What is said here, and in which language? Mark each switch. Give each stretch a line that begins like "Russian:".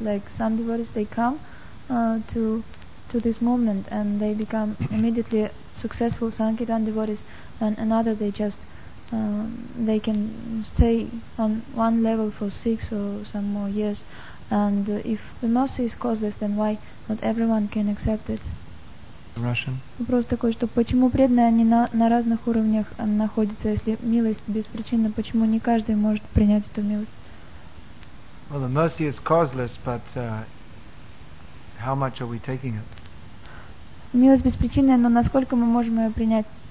English: Like some devotees, they come to this movement and they become immediately successful Sankirtan devotees, and another they just they can stay on one level for 6 or some more years. And if the mercy is causeless, then why not everyone can accept it? Russian.
Russian: Вопрос такой, что почему преданные они на разных уровнях находятся, если милость беспричинна, почему не каждый может принять эту милость?
English: Well, the mercy is causeless, but how much are we taking it?
Russian: Милость беспричинная, но насколько мы можем ее принять?